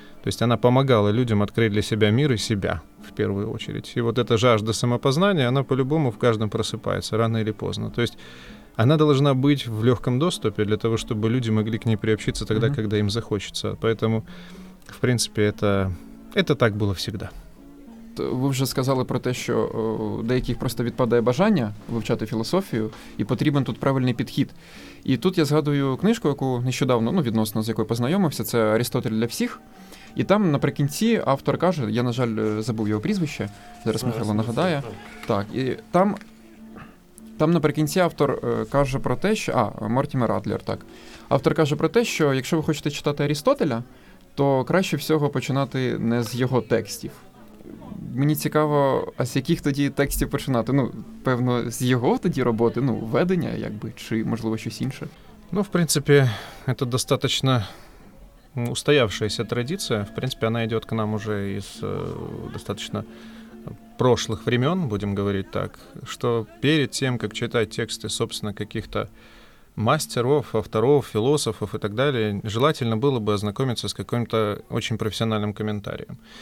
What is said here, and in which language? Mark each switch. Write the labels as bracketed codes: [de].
[ru] То есть она помогала людям открыть для себя мир и себя, в первую очередь. И вот эта жажда самопознания, она по-любому в каждом просыпается, рано или поздно. То есть она должна быть в легком доступе для того, чтобы люди могли к ней приобщиться тогда, mm-hmm. когда им захочется. Поэтому, в принципе, это так было всегда. [uk] Ви вже сказали про те, що деяких просто відпадає бажання вивчати філософію, і потрібен тут правильний підхід. І тут я згадую книжку, яку нещодавно, ну, відносно з якою познайомився, це «Арістотель для всіх». І там наприкінці автор каже, я, на жаль, забув його прізвище, зараз Михайло нагадає. Так, і там наприкінці автор каже про те, що... А, Мортімер Адлер, так. Автор каже про те, що якщо ви хочете читати Арістотеля, то краще всього починати не з його текстів. Мені цікаво, а з яких тоді текстів починати? Ну, певно, з його тоді роботи, ну, ведення, якби, чи, можливо, щось інше? Ну, в принципі, це достатньо устоявшаяся традиція. [ru] В принципі, вона йде к нам уже із достатньо прошлых времен, будем говорить так, что перед тем, как читать тексты, собственно, каких-то мастеров, авторов, философов и так далее, желательно было бы ознакомиться с каким-то очень профессиональным комментарием.